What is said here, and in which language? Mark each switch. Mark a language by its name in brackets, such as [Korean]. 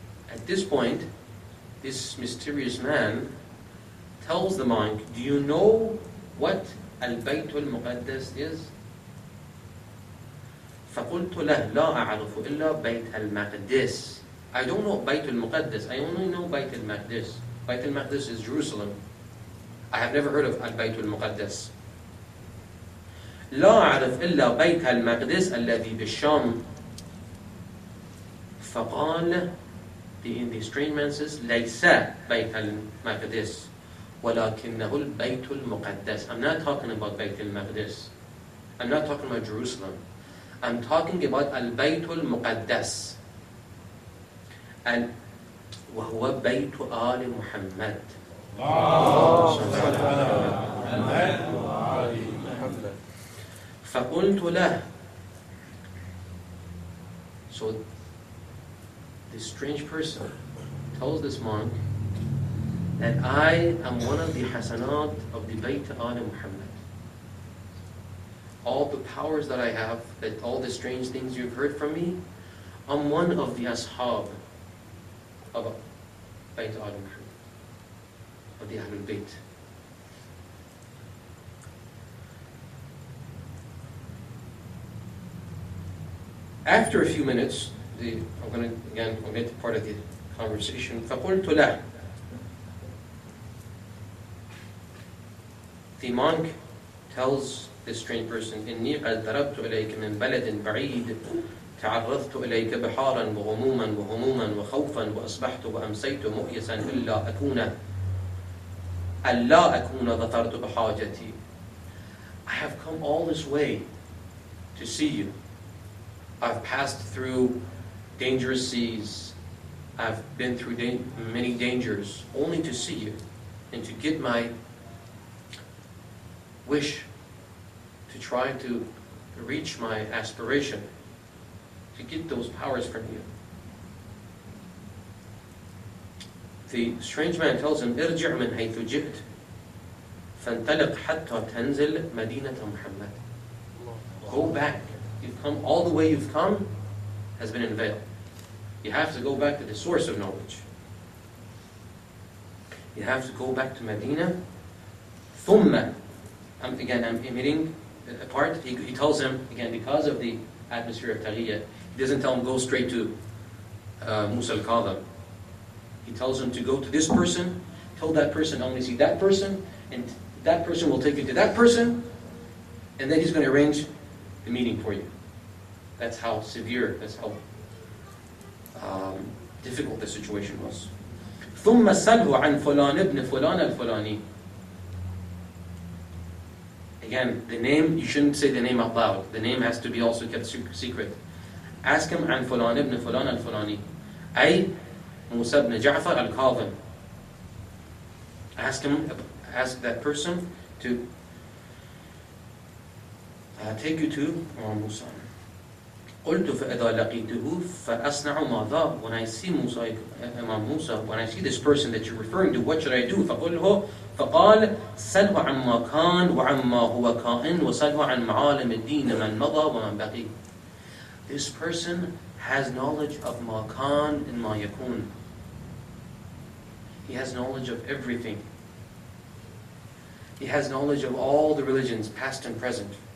[English] At this point, this mysterious man tells the monk, do you know what البيت المقدس is? [Arabic] فَقُلْتُ لَهْ لَا أَعْرِفُ إِلَّا بَيْتَ الْمَقْدِسِ. [English] I don't know بيت المقدس. I only know بيت المقدس. بيت المقدس is Jerusalem. I have never heard of البيت المقدس. [Arabic] لا أعرف إلا بيت المقدس الذي بالشام. فقال, [English] the strange man says, [Arabic] ليس بيت المقدس ولكنه البيت المقدس. [English] I'm not talking about بيت المقدس. I'm not talking about Jerusalem. I'm talking about البيت المقدس. And [Arabic] وهو بيت آل محمد. فقلت له. [English] So this strange person tells this monk that I am one of the hasanat of the Bayt al Muhammad. All the powers that I have, that all the strange things you've heard from me, I'm one of the ashab of Bayt al Muhammad, of the Ahlul Bayt. After a few minutes, I'm going to again omit part of the conversation. [Arabic] فَقُلْتُ لَهُ. [English] The monk tells this strange person, [Arabic] إِنِّي قَدْ ضَرَبْتُ إِلَيْكَ مِنْ بَلَدٍ بَعِيدٍ تَعَرَّضْتُ إِلَيْكَ بِحَارًا وَغُمُومًا وَهُمُومًا وَخَوْفًا وَأَصْبَحْتُ وَأَمْسَيْتُ مُؤْيَسًا إِلَّا أَكُونَ أَلَّا أَكُونَ ظَفَرْتُ بِحَاجَتِي. [English] I have come all this way to see you. I've passed through dangerous seas. I've been through many dangers only to see you and to get my wish, to try to reach my aspiration, to get those powers from you. The strange man tells him, [Arabic] ارجع من حيث جئت فانطلق حتى تنزل مدينة محمد. [English] Go back. All the way you've come has been in vain. You have to go back to the source of knowledge. You have to go back to Medina. I'm emitting a part. He tells him, again, because of the atmosphere of Taghiyya, he doesn't tell him go straight to Musa al-Kadham. He tells him to go to this person, tell that person, only see that person, and that person will take you to that person, and then he's going to arrange the meeting for you. That's how severe, that's how difficult the situation was. [Arabic] ثُمَّ سَلْهُ عَنْ فُلَانِ ابْنِ فُلَانَ الْفُلَانِ. [English] Again, the name, you shouldn't say the name out loud. The name has to be also kept secret. Ask him, [Arabic] عَنْ فُلَانِ ابْنِ فُلَانَ الْفُلَانِ. أي مُوسَى بْنِ جَعْفَرَ الْكَاظِمِ. [English] Ask that person to take you to Musa. [Arabic] قلت فإذا لقيته فأصنع ماذا. [English] When I see Musa, Imam Musa, when I see this person that you're referring to, what should I do? [Arabic] فقله فقال سلوا عما كان وعما هو كائن وسلوا عن معالم الدين من مضى ومن بقي. [English] This person has knowledge of ما كان and ما يكون. He has knowledge of everything. He has knowledge of all the religions, past and present.